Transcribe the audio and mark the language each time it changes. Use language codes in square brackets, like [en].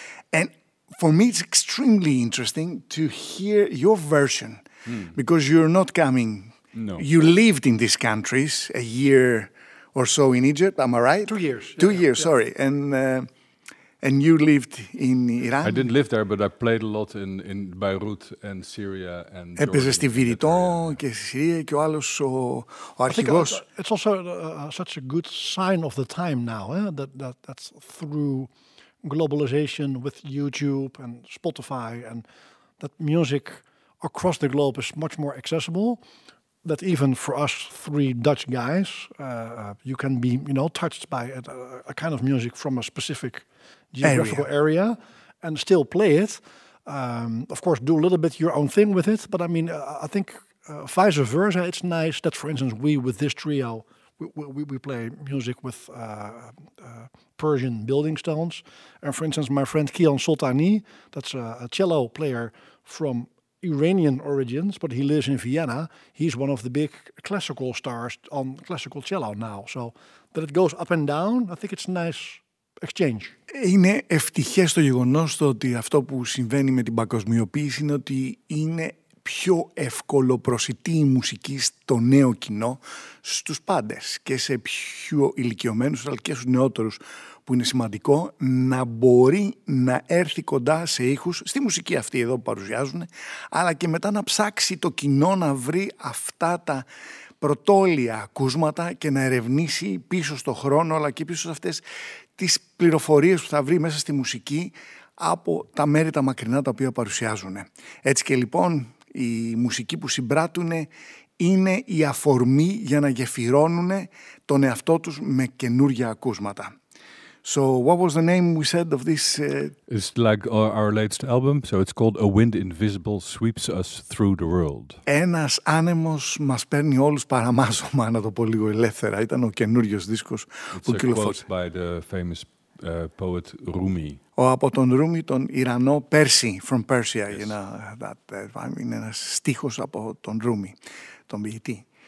[en] And for me, it's extremely interesting to hear your version. Because you're not coming. No. You lived in these countries a year or so in Egypt, am I right? 2 years. Two years. And you lived in Iran? I didn't live there, but I played a lot in Beirut and Syria and Jordan. [el] Έπαιζες στη Βηρητό και στη Συρία και ο άλλος ο αρχηγός. [en] It's also such a good sign of the time now, that's through globalization with YouTube and Spotify and that music across the globe is much more accessible, that even for us three Dutch guys, you can be, you know, touched by a kind of music from a specific geographical area and still play it. Of course, do a little bit your own thing with it. But I mean, I think vice versa, it's nice that, for instance, we with this trio, we play music with Persian building stones. And for instance, my friend Kian Sultani, that's a cello player from Iranian origins, but he lives in Vienna. He's one of the big classical stars on classical cello now. So that it goes up and down, I think it's a nice exchange. [el] Είναι ευτυχές το γεγονός ότι αυτό που συμβαίνει με την παγκοσμιοποίηση είναι ότι είναι πιο εύκολο προσιτή η μουσική στο νέο κοινό, στους πάντες και σε πιο ηλικιωμένους αλλά και στους νεότερους, που είναι σημαντικό να μπορεί να έρθει κοντά σε ήχους, στη μουσική αυτή εδώ που παρουσιάζουν, αλλά και μετά να ψάξει το κοινό να βρει αυτά τα πρωτόλια ακούσματα και να ερευνήσει πίσω στο χρόνο, αλλά και πίσω σε αυτές τις πληροφορίες που θα βρει μέσα στη μουσική από τα μέρη τα μακρινά τα οποία παρουσιάζουν. Έτσι και λοιπόν, η μουσική που συμπράττουν είναι η αφορμή για να γεφυρώνουν τον εαυτό τους με καινούργια ακούσματα. [en] So what was the name we said of this? It's like our latest album. So it's called A Wind Invisible Sweeps Us Through the World. [el] Ένας άνεμος μας παίρνει όλους παραμάζωμα, να το πω λίγο ελεύθερα. Ήταν ο καινούριος δίσκος που κυκλοφόρησε. [en] It's a quote by the famous poet Rumi. [el] Ο από τον Rumi, τον Ιρανό, Πέρσι, [en] from Persia. Yes. You know, that, [el] είναι ένας στίχος από τον Rumi, τον ποιητή.